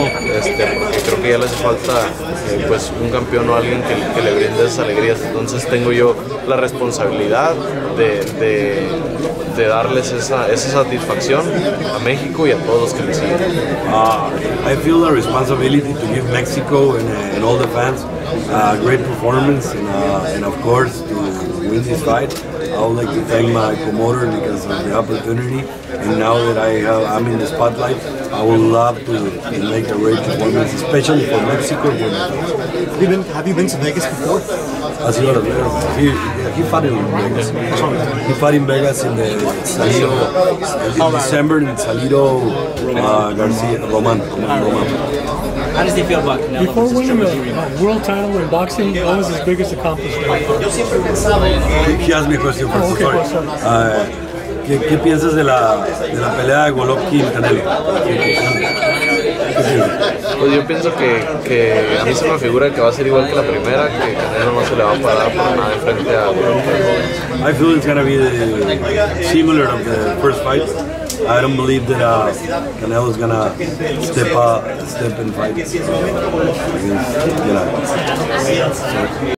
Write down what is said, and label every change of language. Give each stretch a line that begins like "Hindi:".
Spanish: Porque creo que ya les falta pues un campeón o alguien que le brinde esas alegrías. Entonces tengo yo la responsabilidad de darles esa satisfacción a México y a todos los que le siguen.
English: I feel the responsibility to give Mexico and all the fans a great performance and of course to win this fight. I would like to thank my promoter because of the opportunity, and now that I'm in the spotlight, I would love to make a great performance, especially for Mexico. Have you been to Vegas before? As you are aware, he fought in Vegas. He fought in Vegas in the Salido, in December in Salido, Garcia Roman. How does he feel about Canelo? Before winning a world title in boxing, what was his biggest accomplishment? He asked me a question first, sorry.
Spanish: ¿Qué piensas de la pelea de Golovkin Canelo? Pues yo pienso que a mí se me figura que va a ser igual que la primera, que Canelo no se le va a parar por nada frente a Golovkin.
English: I feel it's gonna be similar to the first fight. I don't believe that Canelo is gonna step and fight.